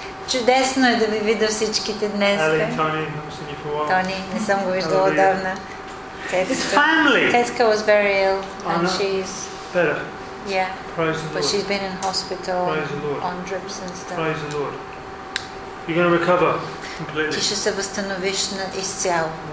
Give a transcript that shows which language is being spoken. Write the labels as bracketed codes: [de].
[bg] Чудесно е да ви видя всичките днес. Тони, не съм го виждала отдавна. [en] Тецка was very ill and she's better. Yeah. Praise the Lord. But she's been in hospital on drips and stuff. Praise the Lord. You're going to recover completely. [bg] Ти ще се възстановиш изцяло.